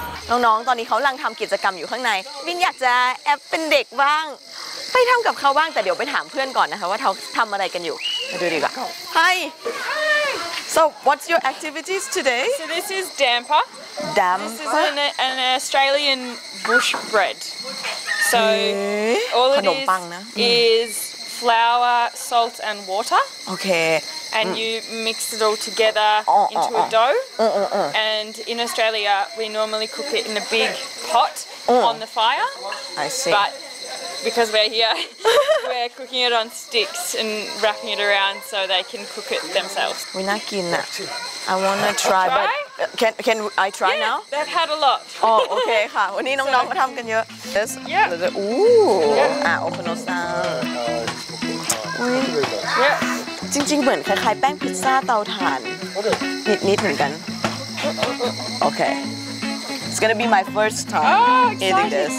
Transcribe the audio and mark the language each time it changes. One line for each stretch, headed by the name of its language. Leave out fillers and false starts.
Thai: น้องๆตอนนี้เขากำลังทำกิจกรรมอยู่ข้างในวินอยากจะแอบเป็นเด็กบ้างไปทำกับเขาบ้างแต่เดี๋ยวไปถามเพื่อนก่อนนะคะว่าเขาทำอะไรกันอยู่มาดูดีกว่า Hi
English: So what's your activities today So this is dampa Dampa This is an Australian bush bread So all it is flour salt and water Okay and you mix it all together into a dough and in Australia we normally cook it in a big pot on the fire I see butBecause we're here, we're cooking it on sticks and wrapping it around so they can cook it themselves. We're not eating that. I want to try, but can I try yeah, now? They've had a lot. Oh, okay,
Thai: ค่ะวันนี้น้องๆมาทำกันเยอะ Yes.
English: Yeah.
Thai: Ooh. โอคุโนซังอุ้ย
English: Yeah.
Thai: จริงๆเหมือนคล้ายๆแป้งพิซซ่าเตาถ่านนิดๆเหมือนกัน Okay.
English: It's gonna be my first time eating this.